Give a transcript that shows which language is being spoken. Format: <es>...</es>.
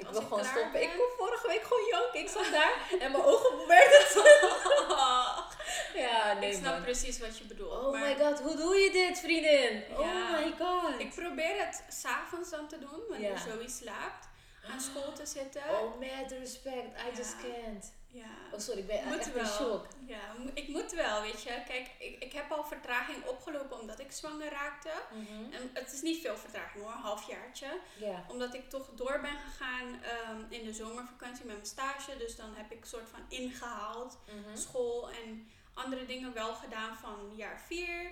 <nl>ik wil gewoon stoppen. Ik kon vorige week gewoon janken. Ik zat daar en mijn ogen werden zo. Ja, nee, ik snap man. Precies wat je bedoelt.</nl> <en>Oh my god,</en> <nl>hoe doe je dit, vriendin? Ja. Oh my god. Ik probeer het 's avonds dan te doen, wanneer Zoe slaapt, aan school te zitten.</nl> <en>Oh, mad respect, I just can't.</en> <nl>Ja. Oh sorry, ik ben moet echt wel. In shock. Ja, ik moet wel, weet je. Kijk, ik heb al vertraging opgelopen omdat ik zwanger raakte. Mm-hmm. En het is niet veel vertraging hoor, een halfjaartje.</nl> <en>Yeah.</en> <nl>Omdat ik toch door ben gegaan in de zomervakantie met mijn stage. Dus dan heb ik soort van ingehaald, mm-hmm. school en andere dingen wel gedaan van jaar 4.</nl>